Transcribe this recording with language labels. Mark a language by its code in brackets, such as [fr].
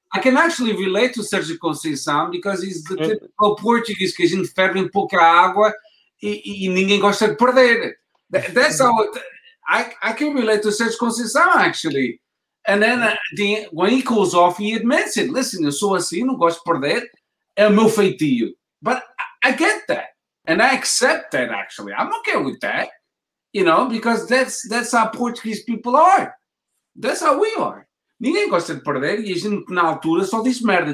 [en] I can actually relate to Sergio Conceição because he's the typical Portuguese, [pt] que a gente ferve em pouca água e ninguém gosta de perder. [en] That's how I can relate to Sergio Conceição, actually. And then when he goes off, he admits it. Listen, [pt] eu sou assim, não gosto de perder. É o meu feitio. [en] But I get that. And I accept that, actually. I'm okay with that, you know, because that's how Portuguese people are. That's how we are. [pt] Ninguém gosta de perder e a gente, na altura, só diz merda.